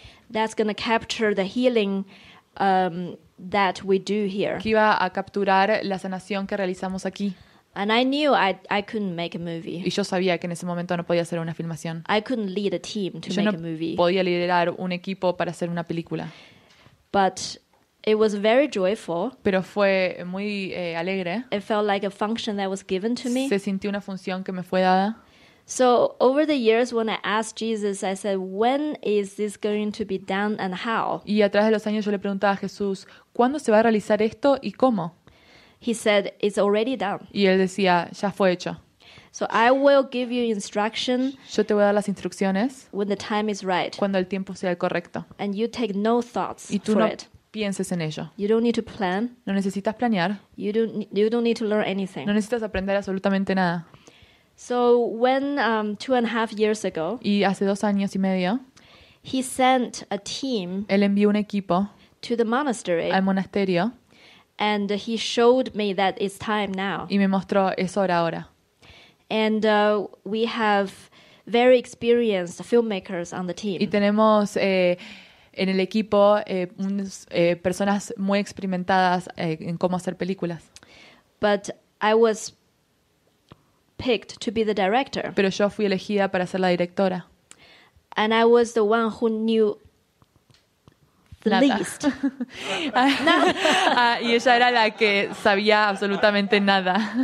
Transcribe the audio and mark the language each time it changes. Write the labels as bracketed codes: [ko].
[en] That's going to capture the healing that we do here. [es] Que iba a capturar la sanación que realizamos aquí. [en] And I knew I couldn't make a movie. [es] Y yo sabía que en ese momento no podía hacer una filmación. [en] I couldn't lead a team to [es] yo [en] make [es] no [en] a movie. [es] Yo no podía liderar un equipo para hacer una película. [en] But it was very joyful. [es] Pero fue muy alegre. [en] It felt like a function that was given to me. [es] Se sintió una función que me fue dada. [en] So over the years, when I asked Jesus, I said, "When is this going to be done and how?" [es] Y a través de los años yo le preguntaba a Jesús, ¿cuándo se va a realizar esto y cómo? [en] He said, "It's already done." [es] Y él decía, ya fue hecho. [en] So I will give you instruction. [es] Yo te voy a dar las instrucciones. [en] When the time is right. [es] Cuando el tiempo sea el correcto. [en] And you take no thoughts for it. [es] Y tú no pienses en ello. [en] You don't need to plan. [es] No necesitas planear. [en] You don't need to learn anything. [es] No necesitas aprender absolutamente nada. [en] So when 2.5 years ago, [es] y hace 2 años y medio, [en] he sent a team. [es] Él envió un equipo [en] to the monastery. [es] Al monasterio. [en] And he showed me that it's time now. [es] Y me mostró es hora ahora. [en] And we have very experienced filmmakers on the team. [es] Y tenemos en el equipo personas muy experimentadas en cómo hacer películas. [en] But I was picked to be the director. [es] Pero yo fui elegida para ser la directora. [en] And I was the one who knew the [es] nada. [en] Least. [es] y ella era la que sabía absolutamente nada.